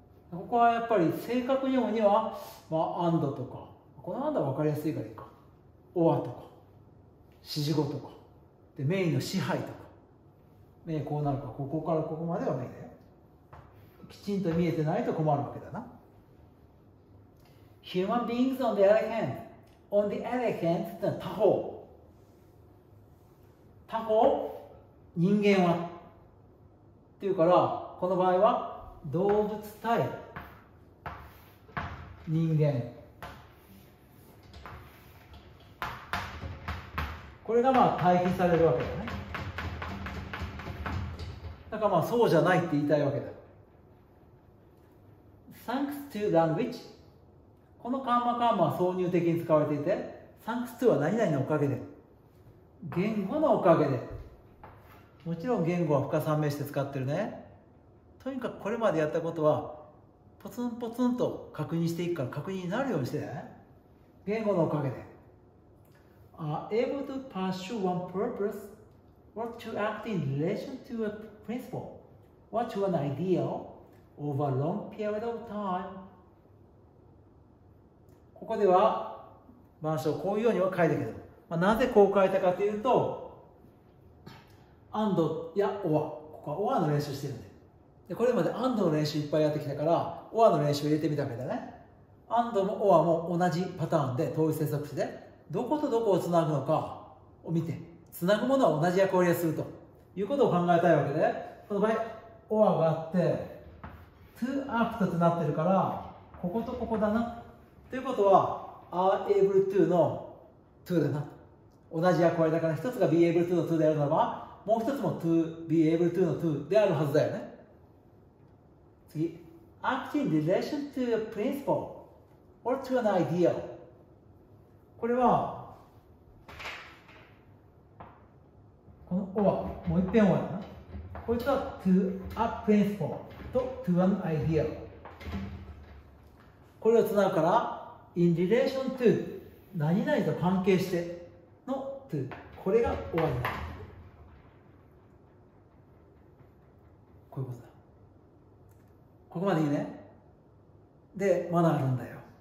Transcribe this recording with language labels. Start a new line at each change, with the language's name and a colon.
Japanese: ここはやっぱり正確に読むには、まあ and とか、この and は分かりやすいからいいか。 or とか、指示語とか。でメインの支配とか、メインこうなるか、ここからここまではメインだよ。きちんと見えてないと困るわけだな。
English: Human beings on the other hand, on the other hand,
Japanese: ってのは他方。他方、人間は。っていうから、この場合は動物対人間。これがまあ対比されるわけだね。だからまあそうじゃないって言いたいわけだ。
English: Thanks to language。
Japanese: このカンマカンマは挿入的に使われていて、Thanks to は何々のおかげで。言語のおかげで。もちろん言語は不可算命して使ってるね。とにかくこれまでやったことは、ポツンポツンと確認していくから確認になるようにしてね。言語のおかげで。
English: Are able to pursue one purpose or to act in relation to a principle or to an ideal over a long period of time.
Japanese: ここでは文章をこういうようには書いたけど、まあ、なぜこう書いたかというと、and や or、ここは or の練習してるんで、でこれまで and の練習いっぱいやってきたから or の練習を入れてみたわけだね。 and も or も同じパターンで統一接続詞でどことどこをつなぐのかを見て、つなぐものは同じ役割をするということを考えたいわけで、この場合、or があって、
English: to act
Japanese: ってなってるから、こことここだな。ということは、
English: are able to
Japanese: の to だな。同じ役割だから、一つが
English: be able to
Japanese: の to であるならば、もう一つも
English: to be able to
Japanese: の to であるはずだよね。
English: 次、act in relation to a principle or to an ideal。
Japanese: これはこのオア、もう一遍オアだな。こいつは
English: to a principle
Japanese: と
English: to an idea。
Japanese: これをつなぐから in relation
English: to
Japanese: 何々と関係しての to、 これがオアになる。こういうことだ。ここまでいいね。で、まだあるんだよ。